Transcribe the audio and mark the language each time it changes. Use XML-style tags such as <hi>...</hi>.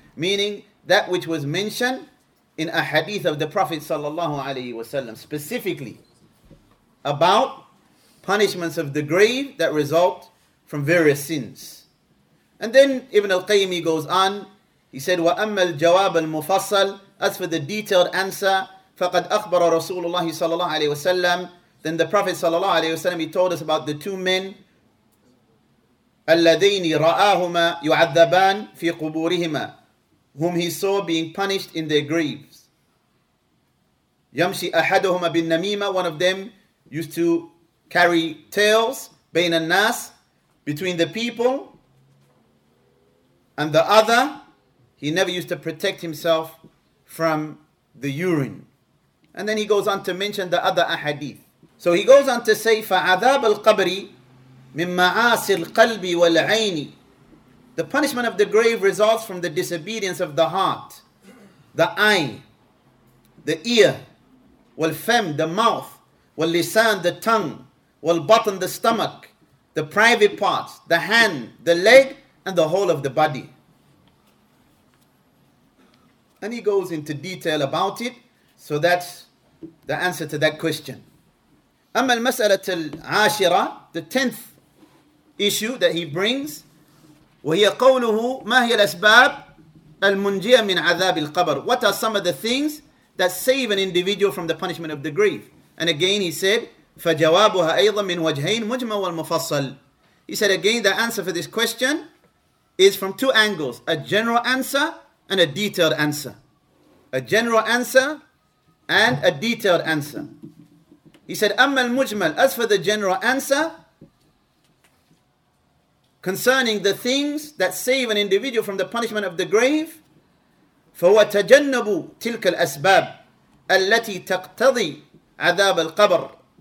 <en>Meaning that which was mentioned in a hadith of the Prophet sallallahu alaihi wasallam, specifically about punishments of the grave that result from various sins. And then Ibn al-Qayyim goes on, he said,</en> <ar>وَأَمَّا الْجَوَابَ الْمُفَصَّلِ.</ar> <en>As for the detailed answer,</en> <ar>فَقَدْ أَخْبَرَ رَسُولُ اللَّهِ صَلَى اللَّهُ عَلَيْهِ وَسَلَّمُ.</ar> <en>Then the Prophet صلى الله عليه وسلم, he told us about the two men,</en> <ar>الَّذَيْنِ رَآهُمَا يُعَذَّبَانِ فِي قُبُورِهِمَا,</ar> <en>whom he saw being punished in their graves.</en> <ar>يَمْشِي أَحَدُهُمَا بِالنَّمِيمَةِ,</ar> <en>one of them used to carry tales,</en> <ar>بين الناس,</ar> <en>between the people, and the other, he never used to protect himself from the urine. And then he goes on to mention the other ahadith. So he goes on to say,</en> <ar>فَعَذَابَ الْقَبْرِ مِنْ مَعَاسِ الْقَلْبِ وَالْعَيْنِ.</ar> <en>The punishment of the grave results from the disobedience of the heart, the eye, the ear,</en> <ar>والفم,</ar> <en>the mouth,</en> <ar>واللسان,</ar> <en>the tongue,</en> <ar>والبطن,</ar> <en>the stomach, the private parts, the hand, the leg, and the whole of the body. And he goes into detail about it. So that's the answer to that question.</en> <ar>أما المسألة العاشرة,</ar> <en>the 10th issue that he brings,</en> <ar>وهي قوله ما هي الأسباب المنجية من عذاب القبر.</ar> <en>What are some of the things that save an individual from the punishment of the grave? And again he said,</en> <ar>فَجَوَابُهَا أَيْضًا مِنْ وَجْهَيْنِ مُجْمَلٌ وَالْمُفَصَّلِ.</ar> <en>He said again, the answer for this question is from two angles, a general answer and a detailed answer. A general answer and a detailed answer. He said,</en> <ar>أَمَّا الْمُجْمَلُ.</ar> <en>As for the general answer, concerning the things that save an individual from the punishment of the grave,</en> <ar>فَهُوَ تَجَنَّبُ تِلْكَ الْأَسْبَابِ أَلَّتِي تَقْتَضِي عَذَابَ الْقَبْرِ.</ar>